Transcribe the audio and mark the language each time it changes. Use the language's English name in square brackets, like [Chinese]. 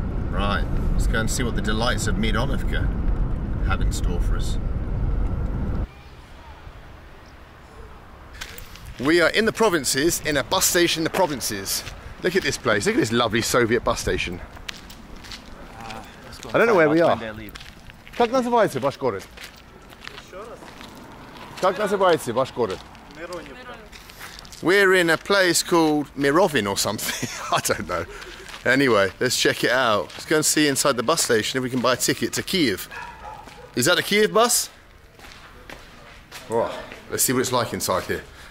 [English] Right, let's go and see what the delights of Mironivka have in store for us. We are in the provinces, in a bus station in the provinces. Look at this place, look at this lovely Soviet bus station. I don't know where we are. [Russian] Как называется ваш город? Еще раз. Как называется ваш город? Мировин. [English] We're in a place called Mirovin or something. I don't know. Anyway, let's check it out. Let's go and see inside the bus station if we can buy a ticket to Kyiv. Is that a Kyiv bus? Oh, let's see what it's like inside here.